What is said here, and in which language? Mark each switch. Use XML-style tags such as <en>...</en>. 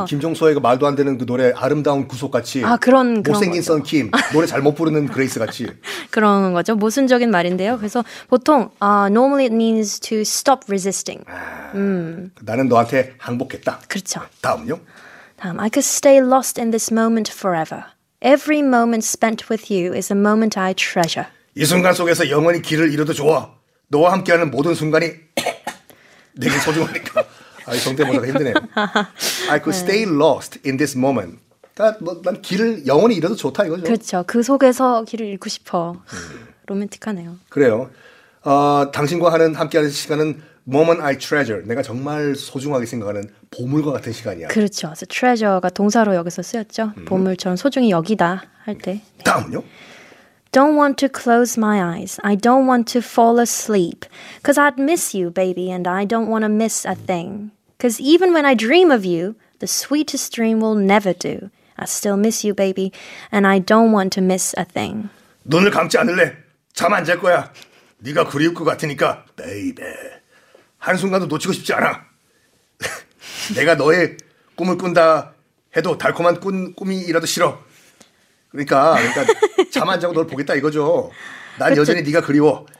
<ko>그 김종서의 그 말도 안 되는 그 노래 아름다운 구속같이 아, 그런 못생긴 선 김 노래 잘못 부르는 그레이스같이 그런 거죠. 모순적인 말인데요. 그래서 보통</ko> <en>normally it means to stop resisting.</en> <ko>나는 너한테 항복했다. 그렇죠. 다음요.</ko> <en>I could stay lost in this moment forever. Every moment spent with you is a moment I treasure.</en> <ko>이 순간 속에서 영원히 길을 잃어도 좋아. 너와 함께하는 모든 순간이 내게 소중하니까. 아, 성대모사가 힘드네요.</ko> <en>I could stay lost in this moment.</en> <ko>그러니까 난 길을 영원히 잃어도 좋다 이거죠. 그렇죠. 그 속에서 길을 잃고 싶어. 로맨틱하네요. 그래요. 당신과 함께하는 시간은</ko> <en>moment I treasure.</en> <ko>내가 정말 소중하게 생각하는 보물과 같은 시간이야. 그렇죠. 그래서 treasure가 동사로 여기서 쓰였죠. 보물처럼 소중히 여기다 할 때. 다음은요?</ko> <en>Don't want to close my eyes. I don't want to fall asleep. Cause I'd miss you, baby, and I don't want to miss a thing. Cause even when I dream of you, the sweetest dream will never do. I still miss you, baby, and I don't want to miss a thing.</en> <ko>눈을 감지 않을래. 잠 안 잘 거야. 네가 그리울 것 같으니까, baby. 한순간도 놓치고 싶지 않아. 내가 너의 꿈을 꾼다 해도 달콤한 꿈이라도 싫어. 그러니까 잠 안 자고 널 보겠다 이거죠. 난 그쵸. 여전히 네가 그리워.</ko>